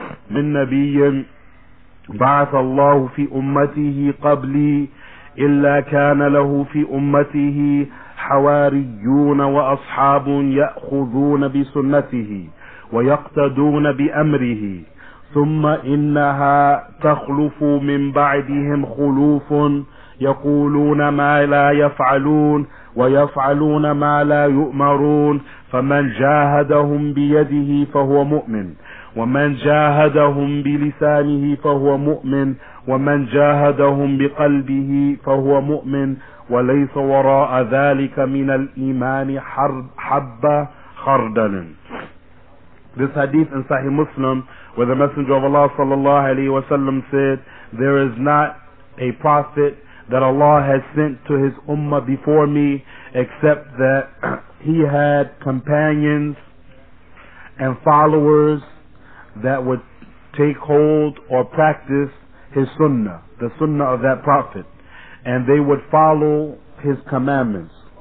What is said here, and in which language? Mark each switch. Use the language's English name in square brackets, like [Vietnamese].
[Arabic] من نبي بعث الله في أمته قبلي إلا كان له في أمته حواريون وأصحاب يأخذون بسنته ويقتدون بأمره ثم إنها تخلف من بعدهم خلوف يقولون ما لا يفعلون ويفعلون ما لا يؤمرون فمن جاهدهم بيده فهو مؤمن ومن جاهدهم بلسانه فهو مؤمن ومن جاهدهم بقلبه فهو مؤمن وليس وراء ذلك من الإيمان حبة خردل. [English] This hadith in Sahih Muslim, where the Messenger of Allah sallallahu alayhi wa sallam said, there is not a prophet that Allah has sent to his ummah before me except that he had companions and followers that would take hold or practice his sunnah, the sunnah of that prophet, and they would follow his commandments.